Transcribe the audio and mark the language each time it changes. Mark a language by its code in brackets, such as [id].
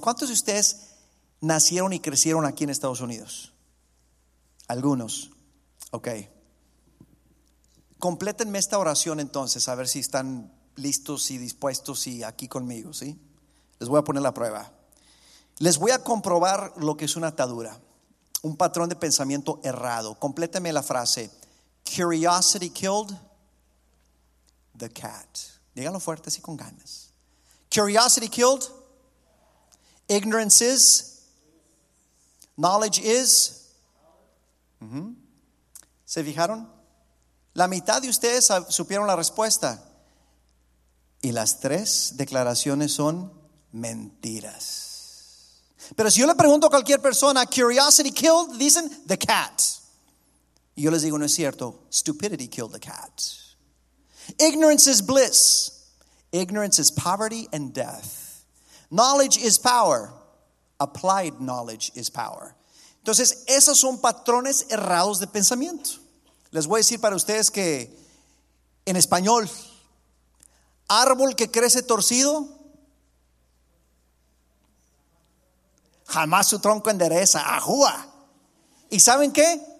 [es] ¿Cuántos de ustedes nacieron y crecieron aquí en Estados Unidos? Algunos. Ok. Complétenme esta oración entonces, a ver si están listos y dispuestos y aquí conmigo, ¿sí? Les voy a poner la prueba. Les voy a comprobar lo que es una atadura, un patrón de pensamiento errado. Complétenme la frase. [en] Curiosity killed the cat. [es] Dígalo fuerte así con ganas. [en] Curiosity killed. Ignorance is. Knowledge is. [es] ¿Se fijaron? La mitad de ustedes supieron la respuesta. Y las tres declaraciones son mentiras. Pero si yo le pregunto a cualquier persona, [en] curiosity killed, [es] dicen [en] the cat. [es] Y yo les digo, no es cierto, [en] stupidity killed the cat. Ignorance is bliss. Ignorance is poverty and death. Knowledge is power. Applied knowledge is power. [es] Entonces, esos son patrones errados de pensamiento. Les voy a decir para ustedes que, en español, árbol que crece torcido, jamás su tronco endereza, ajúa. ¿Y saben qué?